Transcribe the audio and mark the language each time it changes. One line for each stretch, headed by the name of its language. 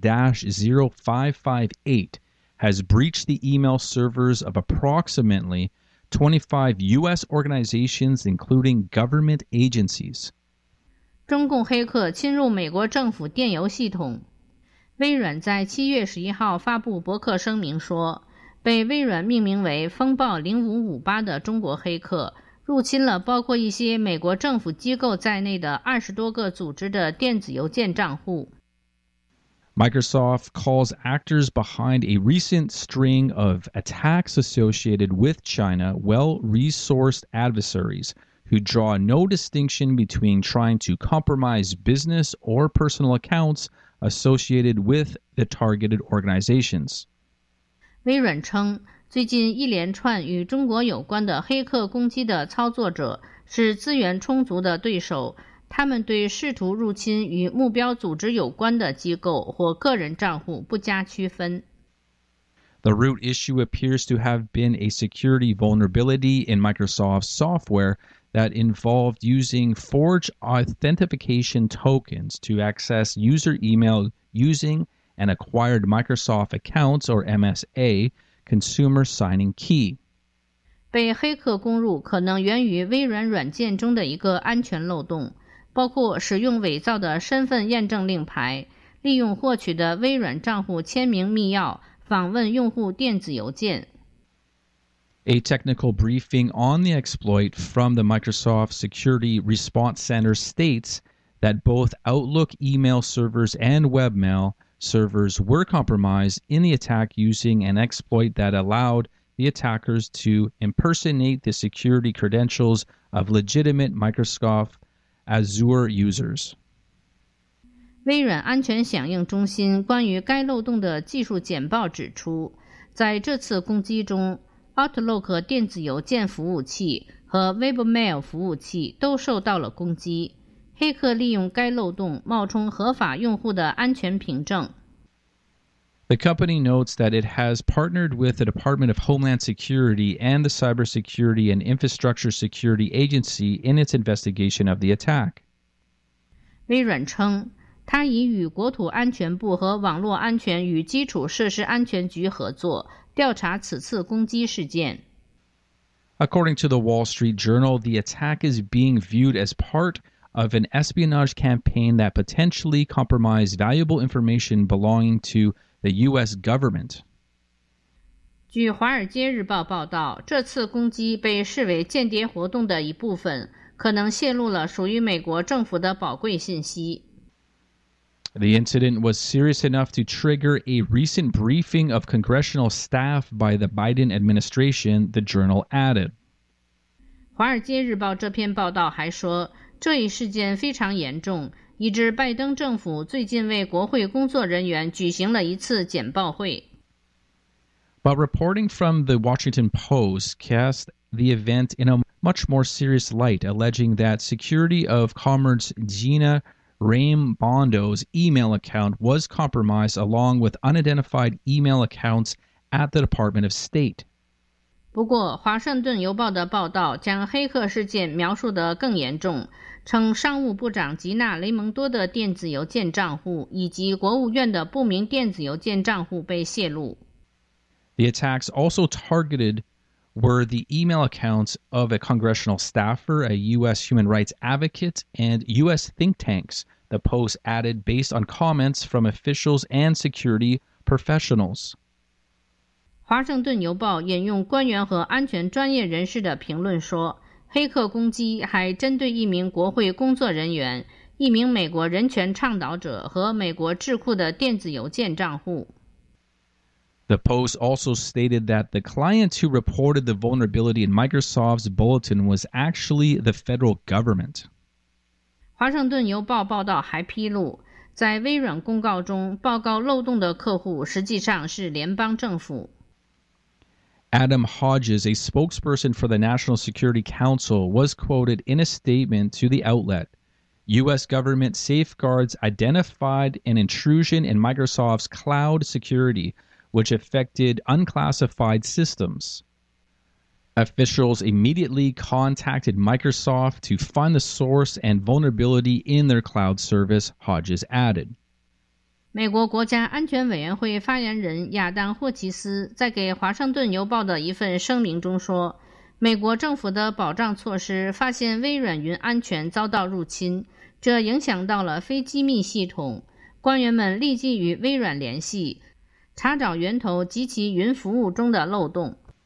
English: Dash-0558 has breached the email servers of approximately 25 U.S. organizations, including government agencies.
Chinese: 中共黑客侵入美国政府电邮系统。微软在7月11号发布博客声明说，被微软命名为风暴0558的中国黑客入侵了包括一些美国政府机构在内的20多个组织的电子邮件账户。
English: Microsoft calls actors behind a recent string of attacks associated with China well-resourced adversaries who draw no distinction between trying to compromise business or personal accounts associated with the targeted organizations.
Chinese: 微软称，最近一连串与中国有关的黑客攻击的操作者是资源充足的对手，他们对试图入侵与目标组织有关的机构或个人账户不加区分。
English: The root issue appears to have been a security vulnerability in Microsoft software that involved using Forge authentication tokens to access user email using an acquired Microsoft accounts or MSA consumer signing key.
Chinese: 被黑客攻入可能源于微软软件中的一个安全漏洞，包括使用伪造的身份验证令牌，利用获取的微软账户签名密钥访问用户电子邮件。
English: A technical briefing on the exploit from the Microsoft Security Response Center states that both Outlook email servers and webmail servers were compromised in the attack using an exploit that allowed the attackers to impersonate the security credentials of legitimate Microsoft Azure users.
Chinese: 微软安全响应中心关于该漏洞的技术简报指出，在这次攻击中， Outlook 电子邮件服务器和 Webmail 服务器都受到了攻击。黑客利用该漏洞冒充合法用户的安全凭证。
English: The company notes that it has partnered with the Department of Homeland Security and the Cybersecurity and Infrastructure Security Agency in its investigation of the attack.
Chinese: 微软称，它已与国土安全部和网络安全与基础设施安全局合作，调查此次攻击事件。
English: According to the Wall Street Journal, the attack is being viewed as part of an espionage campaign that potentially compromised valuable information belonging to the U.S. government.
Chinese: 据《华尔街日报》报道，这次攻击被视为间谍活动的一部分，可能泄露了属于美国政府的宝贵信息。
English: The incident was serious enough to trigger a recent briefing of congressional staff by the Biden administration, the journal added.
Chinese: 华尔街日报这篇报道还说，这一事件非常严重，以致拜登政府最近为国会工作人员举行了一次简报会。
English: But reporting from the Washington Post cast the event in a much more serious light, alleging that Security of Commerce Gina Raimondo's email account was compromised along with unidentified email accounts at the Department of State.
Chinese: 不过，《华盛顿邮报》的报道将黑客事件描述得更严重，称商务部长吉娜·雷蒙多的电子邮件账户以及国务院的不明电子邮件账户被泄露。
English: The attacks also targeted were the email accounts of a congressional staffer, a U.S. human rights advocate, and U.S. think tanks, the Post added based on comments from officials and security professionals.
Chinese: 华盛顿邮报引用官员和安全专业人士的评论说，黑客攻击还针对一名国会工作人员、一名美国人权倡导者和美国智库的电子邮件账户。
English: The Post also stated that the client who reported the vulnerability in Microsoft's bulletin was actually the federal government.
Chinese: 华盛顿邮报报道还披露，在微软公告中报告漏洞的客户实际上是联邦政府。
English: Adam Hodges, a spokesperson for the National Security Council, was quoted in a statement to the outlet, U.S. government safeguards identified an intrusion in Microsoft's cloud security, which affected unclassified systems. Officials immediately contacted Microsoft to find the source and vulnerability in their cloud service, Hodges added.
Chinese: 美国国家安全委员会发言人亚当·霍奇斯在给《华盛顿邮报》的一份声明中说，美国政府的保障措施发现微软云安全遭到入侵，这影响到了非机密系统。官员们立即与微软联系，查找源头及其云服务中的漏洞。